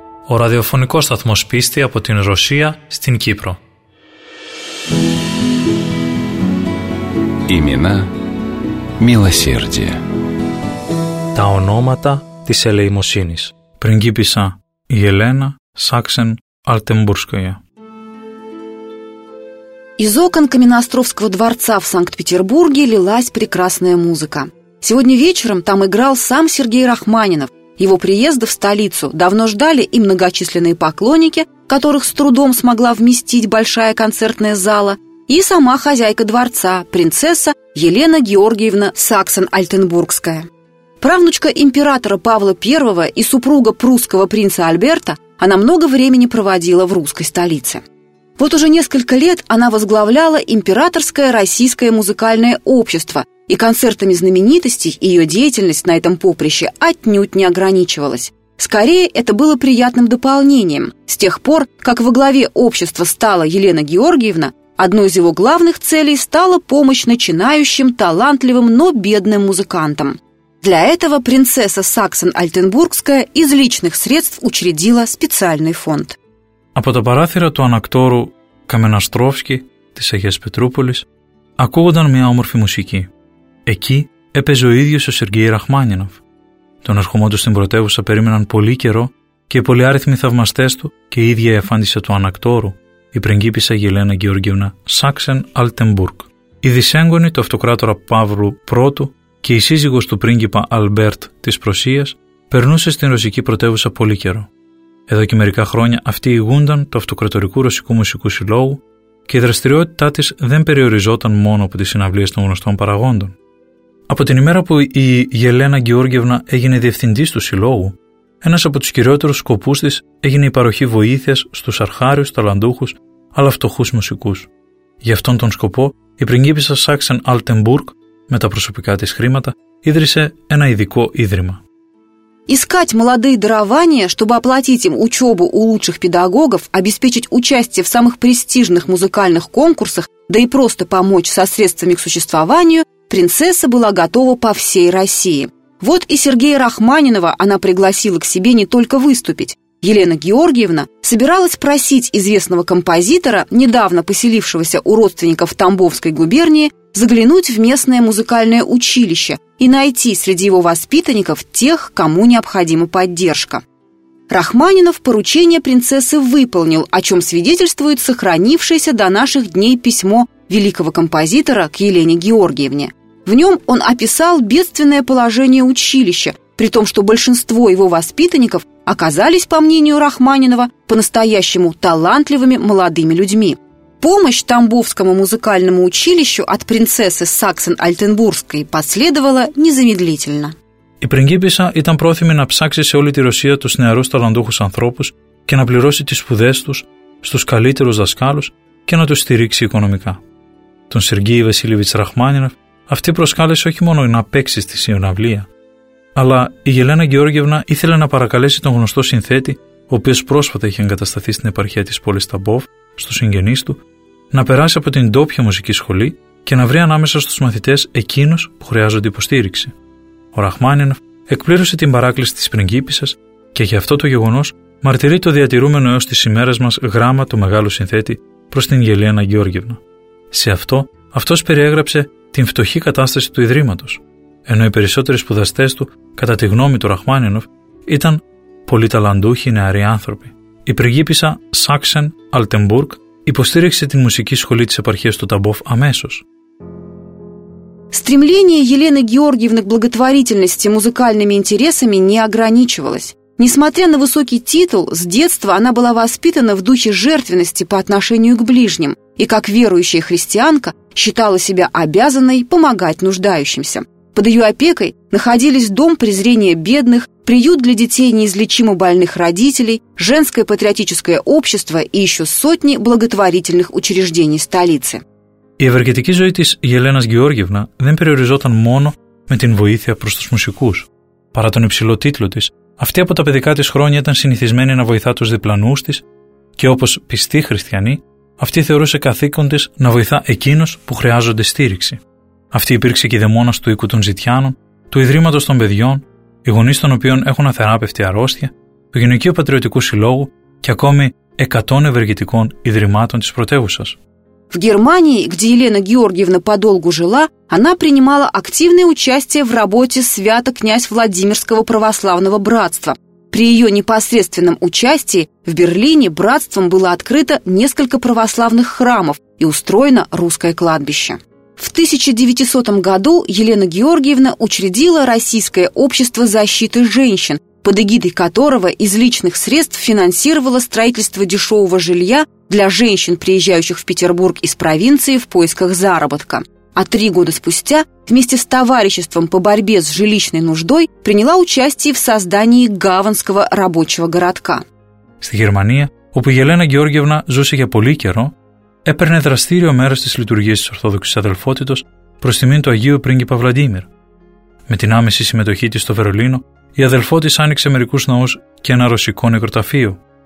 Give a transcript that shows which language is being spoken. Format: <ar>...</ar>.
<el>О радиофонико сатмос писти από την Ρωσία στην Кύπρο.</el> <ru>Имена милосердия.</ru> <el>Τα ονόματα της ελεημοσύνης. Πριγκίπισσα η Ελένα Σάξεν Αλτεμπούρσκαια.</el> <ru>Из окон Каменноостровского дворца в Санкт-Петербурге лилась прекрасная музыка. Сегодня вечером там играл сам Сергей Рахманинов. Его приезда в столицу давно ждали и многочисленные поклонники, которых с трудом смогла вместить большая концертная зала, и сама хозяйка дворца, принцесса Елена Георгиевна Саксен-Альтенбургская. Правнучка императора Павла I и супруга прусского принца Альберта, она много времени проводила в русской столице. Вот уже несколько лет она возглавляла Императорское российское музыкальное общество, и концертами знаменитостей ее деятельность на этом поприще отнюдь не ограничивалась. Скорее, это было приятным дополнением. С тех пор, как во главе общества стала Елена Георгиевна, одной из его главных целей стала помощь начинающим, талантливым, но бедным музыкантам. Для этого принцесса Саксен-Альтенбургская из личных средств учредила специальный фонд.</ru> <el>Από τα παράθυρα του ανακτόρου Καμενναστρόφσκη της Αγίας Πετρούπολης ακούγονταν μια όμορφη μουσική. Εκεί έπαιζε ο ίδιος ο Σεργέι Ραχμάνινοφ. Τον ερχομό του στην πρωτεύουσα περίμεναν πολύ καιρό και οι πολυάριθμοι θαυμαστές του και η ίδια η αφάντισσα του ανακτόρου, η πριγκίπισσα Γελένα Γεωργίουνα Σάξεν-Αλτεμπουργκ. Η δυσέγγονη του αυτοκράτορα Παύλου I και η σύζυγος του πρίγκιπα Αλμπέρτ της Προσίας περνούσε στην ρωσική πρωτεύουσα πολύ καιρό. Εδώ και μερικά χρόνια αυτή ηγούνταν του Αυτοκρατορικού Ρωσικού Μουσικού Συλλόγου και η δραστηριότητά της δεν περιοριζόταν μόνο από τις συναυλίες των γνωστών παραγόντων. Από την ημέρα που η Γελένα Γεώργιευνα έγινε διευθυντής του Συλλόγου, ένας από τους κυριότερους σκοπούς της έγινε η παροχή βοήθειας στους αρχάριους, ταλαντούχους, αλλά φτωχούς μουσικούς. Γι' αυτόν τον σκοπό, η πριγκίπισσα Σάξεν-Αλτεμπουργκ, με τα προσωπικά της χρήματα, ίδρυσε ένα ειδικό ίδρυμα.</el> <ru>Искать молодые дарования, чтобы оплатить им учебу у лучших педагогов, обеспечить участие в самых престижных музыкальных конкурсах, да и просто помочь со средствами к существованию, принцесса была готова по всей России. Вот и Сергея Рахманинова она пригласила к себе не только выступить. Елена Георгиевна собиралась просить известного композитора, недавно поселившегося у родственников в Тамбовской губернии, заглянуть в местное музыкальное училище и найти среди его воспитанников тех, кому необходима поддержка. Рахманинов поручение принцессы выполнил, о чем свидетельствует сохранившееся до наших дней письмо великого композитора к Елене Георгиевне. В нем он описал бедственное положение училища, при том, что большинство его воспитанников оказались, по мнению Рахманинова, по-настоящему талантливыми молодыми людьми. Помощь Тамбовскому музыкальному училищу от принцессы Саксен-Альтенбургской последовала незамедлительно.</ru> <el>Η πριγκίπισσα ήταν πρόθυμη να ψάξει σε όλη τη Ρωσία τους νεαρούς ταλαντούχους ανθρώπους και να πληρώσει τις σπουδές τους στους καλύτερους δασκάλους και να τους στηρίξει οικονομικά. Τον Σεργέι Βασίλεβιτς Ραχμάνινοφ αυτή προσκάλεσε όχι μόνο να παίξει στη συναυλία, αλλά η Γελένα Γεώργιευνα ήθελε να παρακαλέσει τον γνωστό συνθέτη, ο οποίος πρόσφατα είχε εγκατασταθεί στην επαρχία της πόλης Τάμποφ, στους συγγενείς του, να περάσει από την ντόπια μουσική σχολή και να βρει ανάμεσα στους μαθητές εκείνους που χρειάζονται υποστήριξη. Ο Ραχμάνινοφ εκπλήρωσε την παράκληση της πριγκίπισσας και γι' αυτό το γεγονός μαρτυρεί το διατηρούμενο έως τις ημέρες μας γράμμα του μεγάλου συνθέτη προς την Γελένα Γεώργιευνα. Σε αυτό, αυτός περιέγραψε την φτωχή κατάσταση του ιδρύματος, ενώ οι περισσότεροι σπουδαστές του, κατά τη γνώμη του Ραχμάνινοφ, ήταν πολύ ταλαντούχοι νεαροί άνθρωποι. Η πριγκίπισσα Σάξεν-Αλτεμπουργκ υποστήριξε την μουσική σχολή της επαρχίας του Ταμπόφ αμέσως.</el> <ru>Стремление Елены Георгиевны к благотворительности музыкальными интересами не ограничивалось. Несмотря на высокий титул, с детства она была воспитана в духе жертвенности по отношению к ближним и, как верующая христианка, считала себя обязанной помогать нуждающимся. Под ее опекой находились дом презрения бедных, приют для детей неизлечимо больных родителей, женское патриотическое общество и еще сотни благотворительных учреждений столицы.</ru> <el>Η ευεργετική ζωή της Γελένας Γεώργιευνα δεν περιοριζόταν μόνο με την βοήθεια προς τους μουσικούς. Παρά τον υψηλό τίτλο της, αυτή από τα παιδικά της χρόνια ήταν συνηθισμένη να βοηθά τους διπλανούς της και όπως πιστή χριστιανή, αυτή θεωρούσε καθήκον της να βοηθά εκείνους που χρειάζονται στήριξη. Αυτή υπήρξε και η δαιμόνας του οίκου των Ζητιάνων, του Ιδρύματος των Παιδιών, οι γονείς των οποίων έχουν αθεράπευτη αρρώστια, του Γυναικείου Πατριωτικού Συλλόγου και ακόμη 100 ευεργετικών ιδρυμάτων της πρωτεύουσας.</el> <ru>В Германии, где Елена Георгиевна подолгу жила, она принимала активное участие в работе Свято-князь Владимирского православного братства. При ее непосредственном участии в Берлине братством было открыто несколько православных храмов и устроено русское кладбище. В 1900 году Елена Георгиевна учредила Российское общество защиты женщин, под эгидой которого из личных средств финансировала строительство дешевого жилья для женщин, приезжающих в Петербург из провинции в поисках заработка. А 3 года спустя вместе с товариществом по борьбе с жилищной нуждой приняла участие в создании Гаванского рабочего городка.</ru> <el>Στη Γερμανία, όπου η Ελένα Γεώργιευνα ζούσε για πολύ καιρό, έπαιρνε δραστήριο μέρος στις λειτουργίες της Ορθόδοξης Αδελφότητος προς τιμήν του Αγίου Πρίγκιπα Βλαντίμιρ. Με την άμεση συμμετοχή της στο Βερολίνο, η Αδελφότης άνοιξε μερικούς ναούς και ένα ρωσικό νεκροταφείο.</el>